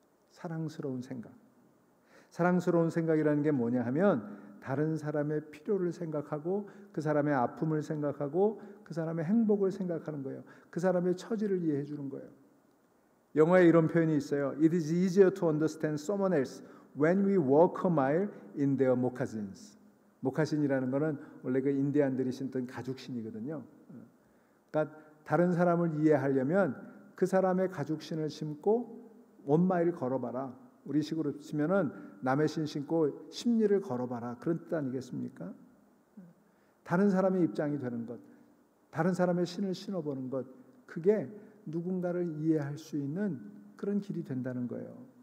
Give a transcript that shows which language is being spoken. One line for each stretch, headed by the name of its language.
Korean: 사랑스러운 생각. 사랑스러운 생각이라는 게 뭐냐 하면 다른 사람의 필요를 생각하고 그 사람의 아픔을 생각하고 그 사람의 행복을 생각하는 거예요. 그 사람의 처지를 이해해 주는 거예요. 영어에 이런 표현이 있어요.
English: It is easier to understand someone else when we walk a mile in their moccasins.
Korean: 모카신이라는 거는 원래 그 인디안들이 신던 가죽신이거든요. 그러니까 다른 사람을 이해하려면 그 사람의 가죽신을 신고 원마일 걸어봐라. 우리 식으로 치면은 남의 신 신고 십리를 걸어봐라. 그런 뜻 아니겠습니까? 다른 사람의 입장이 되는 것, 다른 사람의 신을 신어보는 것, 그게 누군가를 이해할 수 있는 그런 길이 된다는 거예요.